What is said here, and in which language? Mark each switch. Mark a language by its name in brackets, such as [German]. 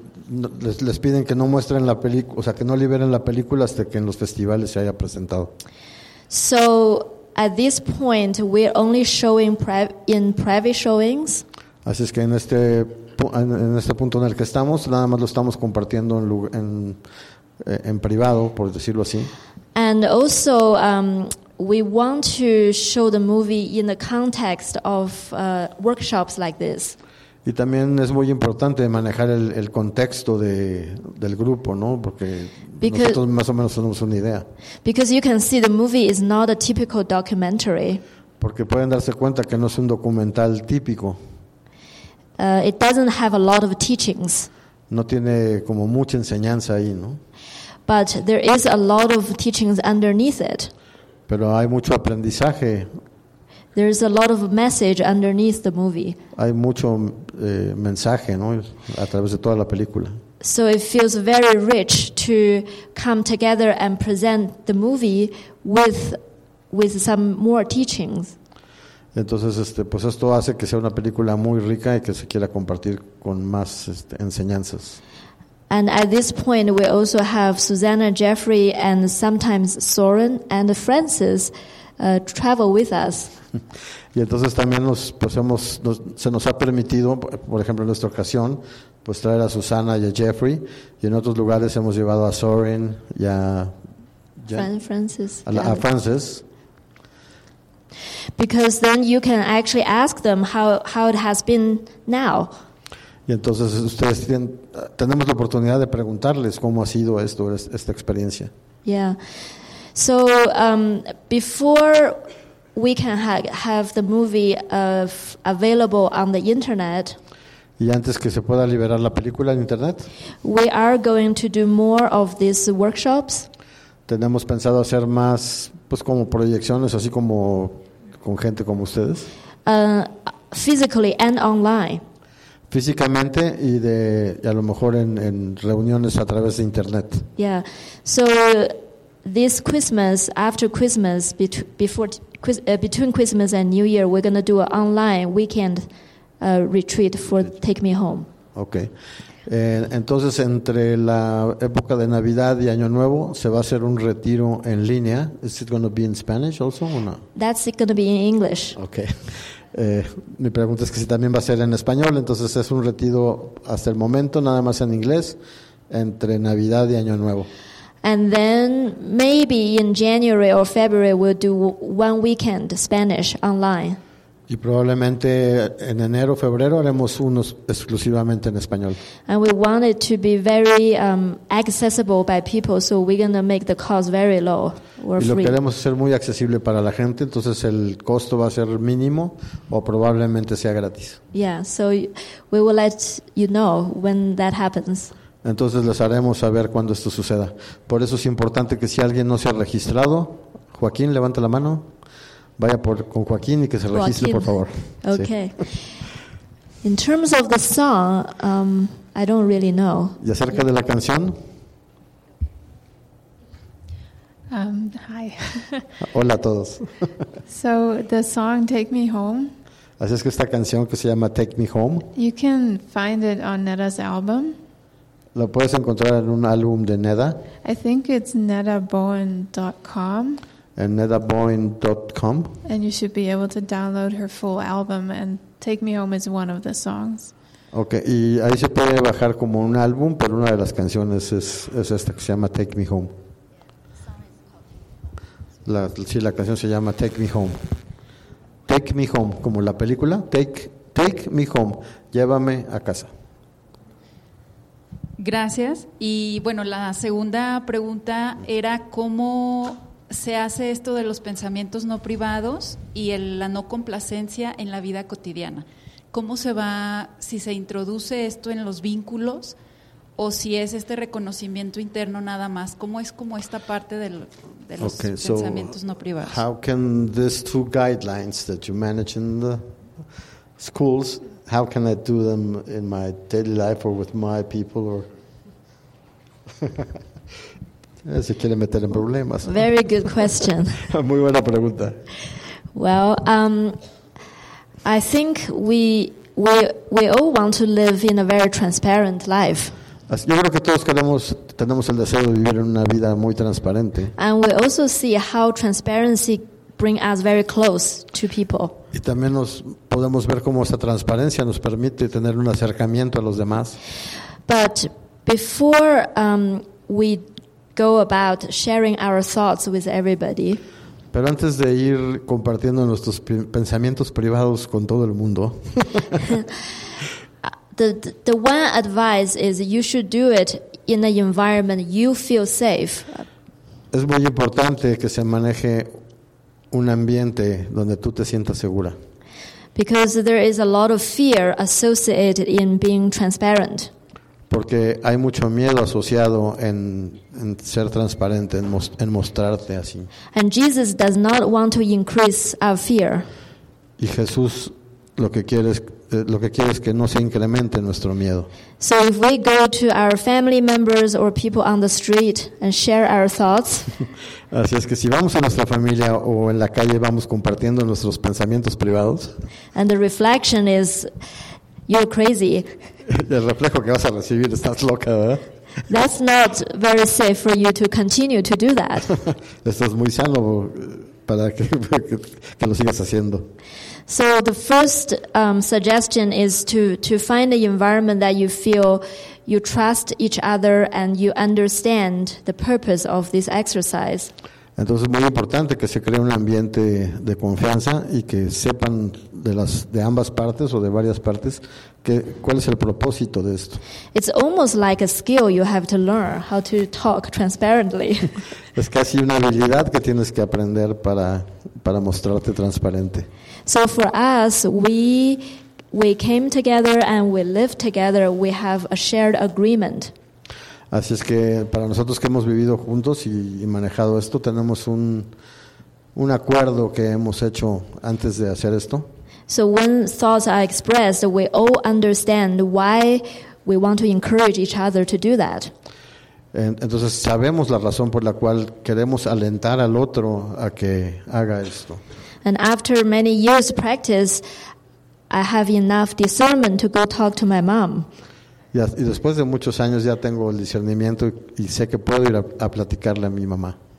[Spanish] Les piden que no muestren la película, o sea, que no liberen la película hasta que en los festivales se haya presentado. [English] So, at this point, we're only showing in private showings. [Spanish] Así es que en este punto en el que estamos, nada más lo estamos compartiendo en privado, por decirlo así. [English] And also, we want to show the movie in the context of workshops like this. [Spanish] Y también es muy importante manejar el contexto del grupo, ¿no? Porque nosotros más o menos tenemos una idea. [English] Because you can see the movie is not a typical documentary. [Spanish] Porque pueden darse cuenta que no es un documental típico. [English] It doesn't have a lot of teachings. [Spanish] No tiene como mucha enseñanza ahí, ¿no? [English] But there is a lot of teachings underneath it. [Spanish] Pero hay mucho aprendizaje. [English] There is a lot of message underneath the movie. [Spanish] Hay mucho mensaje, ¿no? A través de toda la película. [English] So it feels very rich to come together and present the movie with some more teachings. [Spanish] Entonces, pues esto hace que sea una película muy rica y que se quiera compartir con más enseñanzas. [English] And at this point, we also have Susanna, Jeffrey, and sometimes Soren and Francis travel with us. [Spanish] Y entonces también se nos ha permitido, por ejemplo, en nuestra ocasión, pues traer a Susanna y a Jeffrey, y en otros lugares hemos llevado a Soren y a Francis. A Francis. [English] Because then you can actually ask them how it has been now. [Spanish] Y entonces ustedes tenemos la oportunidad de preguntarles cómo ha sido esta experiencia. [English] Yeah. So before we can have the movie available on the internet. [Spanish] Y antes que se pueda liberar la película en internet. [English] We are going to do more of these workshops. [Spanish] Tenemos pensado hacer más, pues como proyecciones, así como con gente como ustedes. [English] Physically and online. [Spanish] Físicamente y de y a lo mejor en reuniones a través de internet. [English] Yeah, so this Christmas, after Christmas, between Christmas and New Year, we're gonna do an online weekend retreat for Take Me Home. [Spanish] Okay, entonces entre la época de Navidad y Año Nuevo se va a hacer un retiro en línea. [English] Is it gonna be in Spanish also or not? That's it gonna be in English. Okay. [Spanish] Mi pregunta es que si también va a ser en español, entonces es un retiro hasta el momento nada más en inglés entre Navidad y Año Nuevo. [English] And then maybe in January or February we'll do one weekend Spanish online. [Spanish] Y probablemente en enero o febrero haremos unos exclusivamente en español. [English] And we want it to be very accessible by people, so we're going to make the cost very low or free. [Spanish] Y lo queremos hacer muy accesible para la gente, entonces el costo va a ser mínimo o probablemente sea gratis. [English] Yeah, so we will let you know when that happens. [Spanish] Entonces les haremos saber cuando esto suceda. Por eso es importante que si alguien no se ha registrado, Joaquín, levanta la mano. Vaya con Joaquín y que se registre, por favor. [English] Okay. In terms of the song, I don't really know. [Spanish] ¿Y acerca de la canción? [English] Hi. [Spanish] Hola a todos. [English] So the song Take Me Home. [Spanish] Así es que esta canción que se llama Take Me Home. [English] You can find it on Neda's album. [Spanish] Lo puedes encontrar en un álbum de Neda. [English] I think it's nedabowen.com. And nedabowen.com. And you should be able to download her full album, and Take Me Home is one of the songs. [Spanish] Okay, y ahí se puede bajar como un álbum, pero una de las canciones es esta que se llama Take Me Home. La canción se llama Take Me Home. Take Me Home, como la película. Take Me Home, llévame a casa. Gracias. Y bueno, la segunda pregunta era cómo se hace esto de los pensamientos no privados y la no complacencia en la vida cotidiana. ¿Cómo se va, si se introduce esto en los vínculos o si es este reconocimiento interno nada más? ¿Cómo es como esta parte de los pensamientos no privados? [English] How can these two guidelines that you manage in the schools, how can I do them in my daily life or with my people? Or [Spanish] se quiere meter en problemas. [English] Very good question. [Spanish] Muy buena pregunta. [English] Well, I think we all want to live in a very transparent life. [Spanish] Yo creo que todos tenemos el deseo de vivir en una vida muy transparente. [English] And we also see how transparency brings us very close to people. [Spanish] Y también podemos ver cómo esta transparencia nos permite tener un acercamiento a los demás. [English] But before we go about sharing our thoughts with everybody. [Spanish] Pero antes de ir compartiendo nuestros pensamientos privados con todo el mundo. [English] The one advice is you should do it in an environment you feel safe. [Spanish] Es muy importante que se maneje un ambiente donde tú te sientas segura. [English] Because there is a lot of fear associated in being transparent. [Spanish] Porque hay mucho miedo asociado en ser transparente, en mostrarte así. [English] And Jesus does not want to increase our fear. [Spanish] Y Jesús lo que quiere es que no se incremente nuestro miedo. [English] So if we go to our family members or people on the street and share our thoughts. [Spanish] Así es que si vamos a nuestra familia o en la calle vamos compartiendo nuestros pensamientos privados. [English] And the reflection is, you're crazy. [Spanish] El reflejo que vas a recibir, estás loca, ¿verdad? [English] That's not very safe for you to continue to do that. [Spanish] Esto es muy sano para que lo sigas haciendo. [English] So the first suggestion is to find an environment that you feel you trust each other and you understand the purpose of this exercise. [Spanish] Entonces es muy importante que se cree un ambiente de confianza y que sepan de ambas partes o de varias partes cuál es el propósito de esto. [English] It's almost like a skill you have to learn how to talk transparently. [Spanish] Es casi una habilidad que tienes que aprender para mostrarte transparente. [English] So for us, we came together and we live together, we have a shared agreement. [Spanish] Así es que para nosotros que hemos vivido juntos y manejado esto, tenemos un acuerdo que hemos hecho antes de hacer esto. [English] So when thoughts are expressed, we all understand why we want to encourage each other to do that. [Spanish] Entonces sabemos la razón por la cual queremos alentar al otro a que haga esto. [English] And after many years practice, I have enough discernment to go talk to my mom. [Spanish] Y después de muchos años ya tengo el discernimiento y sé que puedo ir a platicarle a mi mamá.